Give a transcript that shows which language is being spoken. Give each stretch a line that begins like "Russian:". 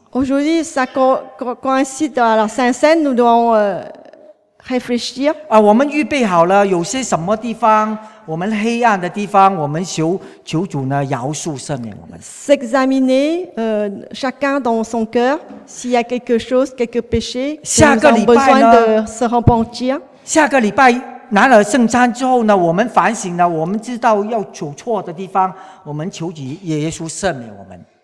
French: Aujourd'hui, ça coïncide à la Saint-Cène, nous devons réfléchir.
Chinese: 啊，我们预备好了，有些什么地方，我们黑暗的地方，我们求主呢饶恕赦免我们。
French: S'examiner, chacun dans son cœur, s'il y a quelque chose, quelque péché, nous avons besoin de se repentir.
Chinese: 下个礼拜拿了圣餐之后呢，我们反省了，我们知道要走错的地方，我们求主耶稣赦免我们。